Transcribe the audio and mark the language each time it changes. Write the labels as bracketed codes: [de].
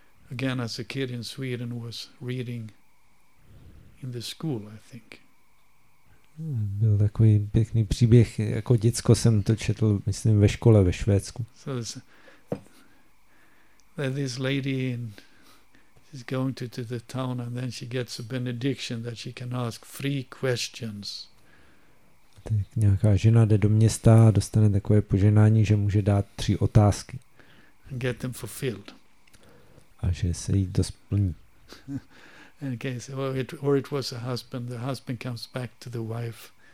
[en] Again, as a kid in Sweden, was reading in the school, I think. [cs] Byl takový pěkný příběh. Jako děcko jsem to četl, myslím, ve škole ve Švédsku. [en] So this lady is going to the town, and then she gets a benediction that she can ask three questions. [cs] Tak nějaká žena jde do města a dostane takové požehnání, že může dát tři otázky. [en] And get them fulfilled. [cs] A že se jí to splní. [en] Or it was a husband. The husband comes back to the wife.